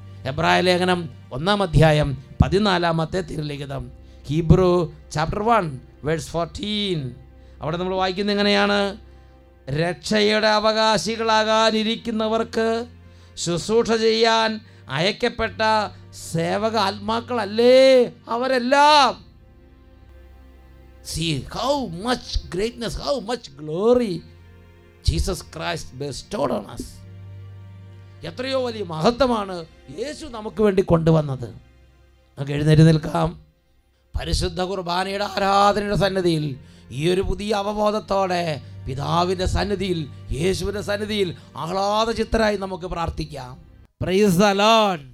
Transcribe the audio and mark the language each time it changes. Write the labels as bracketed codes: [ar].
[ml] എബ്രായ ലേഖനം 1:14 തിരുലിഖിതം, Hebrew chapter 1:14, അവിടെ നമ്മൾ വായിക്കുന്നത് എങ്ങനെയാണ്? രക്ഷയുടെ അവകാശികളാകാനിരിക്കുന്നവർക്ക് ശുശ്രൂഷ ചെയ്യാൻ അയക്കപ്പെട്ട സേവക ആത്മാക്കളല്ലേ അവരെല്ലാം. [en] See how much greatness, how much glory Jesus Christ bestowed on us. [ml] എത്രയോ വലിയ മഹത്വമാണ് യേശു നമുക്ക് വേണ്ടി കൊണ്ടുവന്നത്. നമുക്ക് എഴുന്നേറ്റ് നിൽക്കാം. പരിശുദ്ധ കുർബാനയുടെ ആരാധനയുടെ സന്നിധിയിൽ ഈ ഒരു പുതിയ അവബോധത്തോടെ പിതാവിൻ്റെ സന്നിധിയിൽ, യേശുവിൻ്റെ സന്നിധിയിൽ ആഹ്ലാദ ചിത്തരായി നമുക്ക് പ്രാർത്ഥിക്കാം. [en] Praise the lord.